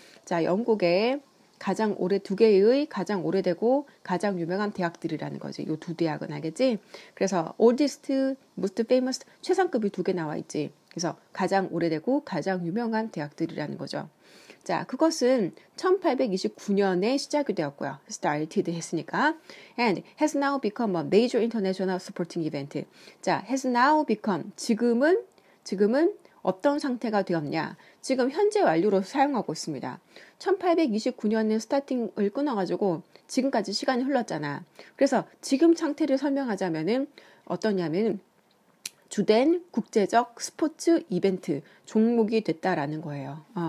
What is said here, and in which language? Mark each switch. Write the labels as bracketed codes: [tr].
[ko] 자, 영국의 가장 오래 두 개의 가장 오래되고 가장 유명한 대학들이라는 거지. 요두 대학은 알겠지? 그래서 oldest, most famous 최상급이 두개 나와 있지. 그래서 가장 오래되고 가장 유명한 대학들이라는 거죠. 자, 그것은 1829년에 시작이 되었고요. started 했으니까. [en] And has now become a major international sporting event. [ko] 자, has now become, 지금은 어떤 상태가 되었냐? 지금 현재 완료로 사용하고 있습니다. 1829년에 스타팅을 끊어가지고 지금까지 시간이 흘렀잖아. 그래서 지금 상태를 설명하자면은 어떠냐면 주된 국제적 스포츠 이벤트 종목이 됐다라는 거예요.